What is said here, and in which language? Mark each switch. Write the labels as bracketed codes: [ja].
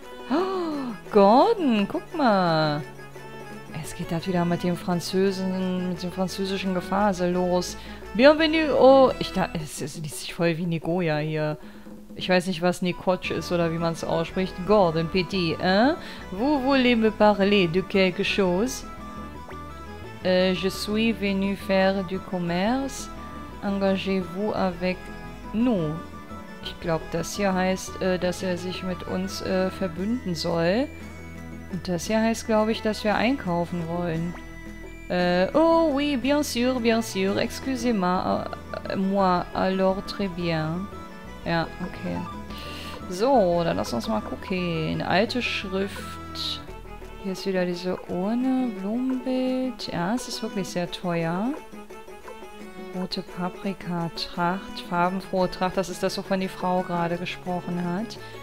[de] Oh, Gordon, guck mal. Es geht halt wieder mit dem Französen, mit dem französischen Gefasel los. Bienvenue, oh, ich dachte, es liest sich voll wie Nigoya hier. Ich weiß nicht, was Nikotsch ist oder wie man es ausspricht. [fr] Gordon, petit, hein? Vous voulez me parler de quelque chose? Je suis venu faire du commerce. Engagez-vous avec nous. [de] Ich glaube, das hier heißt, dass er sich mit uns verbünden soll. Und das hier heißt, glaube ich, dass wir einkaufen wollen. [fr] Oh oui, bien sûr, excusez-moi, alors très bien. [de] Ja, okay. So, dann lass uns mal gucken. Alte Schrift. Hier ist wieder diese Urne, Blumenbild. Ja, es ist wirklich sehr teuer. Rote Paprika, Tracht, farbenfrohe Tracht. Das ist das, wovon die Frau gerade gesprochen hat.